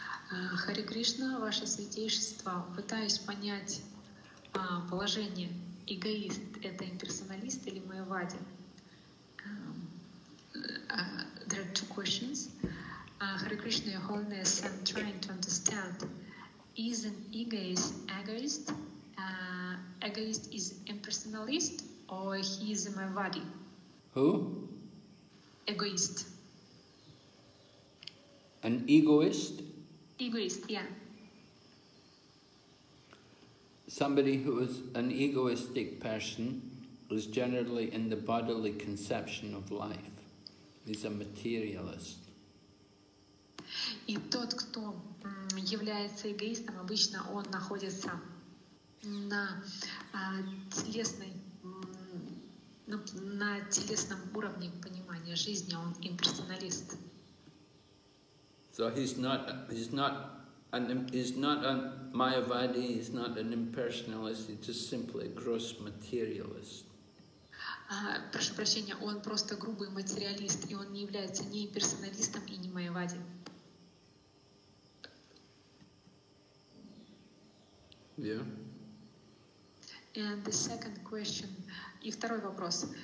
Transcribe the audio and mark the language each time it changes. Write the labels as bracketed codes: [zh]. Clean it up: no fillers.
[ru] Харе Кришна, ваше святейшество, пытаюсь понять положение. Эгоист — это имперсоналист или майявади? [en] There are two questions. Hare Krishna, Your Holiness, I'm trying to understand. Is an egoist egoist? Egoist is impersonalist or he is a mayavadi? Who? Egoist. An egoist? Egoist, yeah. Somebody who is an egoistic person is generally in the bodily conception of life. He's a materialist. [ru] И тот, кто является эгоистом, обычно он находится на телесном уровне понимания жизни, он имперсоналист. [en] So he's not Mayavadi, he's not an impersonalist, he's just simply a gross materialist. [ru] Прошу прощения, он просто грубый материалист, и он не является ни имперсоналистом, и ни Майавади. [en] Yeah. And the second question. [ru] И второй вопрос.